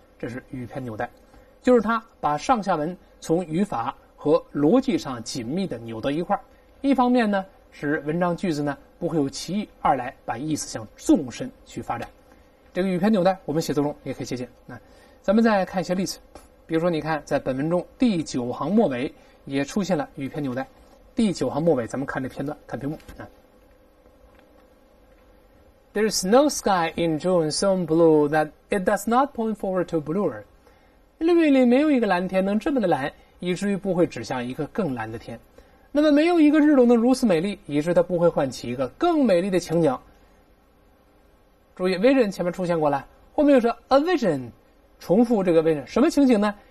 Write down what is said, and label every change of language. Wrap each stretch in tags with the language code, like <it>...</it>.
<zh>这是语偏纽带，就是他把上下文从语法和逻辑上紧密的扭到一块，一方面呢使文章句子呢不会有歧义，二来把意思向纵深去发展。这个语偏纽带我们写作中也可以借鉴。那咱们再看一些例子，比如说你看在本文中第九行末尾也出现了语偏纽带，第九行末尾咱们看这片段，看屏幕啊。</zh> <en>There is no sky in June so blue that it does not point forward to bluer.</en> <zh>绿云里没有一个蓝天能这么的蓝，以至于不会指向一个更蓝的天。那么没有一个日落能如此美丽，以致它不会唤起一个更美丽的情景。注意 vision 前面出现过了，后面又说</zh> <en>a vision，</en> <zh>重复这个 vision， 什么情景呢？</zh>